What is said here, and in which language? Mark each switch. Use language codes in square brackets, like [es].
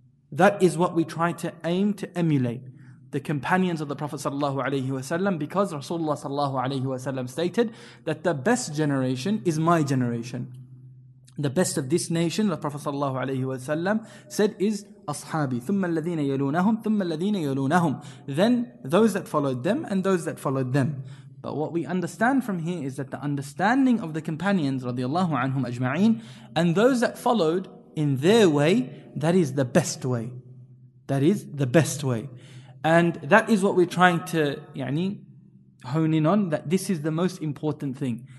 [en] That is what we try to aim to emulate. The companions of the Prophet sallallahu alaihi wasallam, because Rasulullah sallallahu alaihi wasallam stated that the best generation is my generation. The best of this nation, the Prophet sallallahu alaihi wasallam said, is ashabi. [ar] ثم الذين يلونهم ثم الذين يلونهم. [en] Then those that followed them and those that followed them. But what we understand from here is that the understanding of the companions radiallahu anhum ajma'in and those that followed in their way, that is the best way. That is the best way. And that is what we're trying to يعني, hone in on, that this is the most important thing.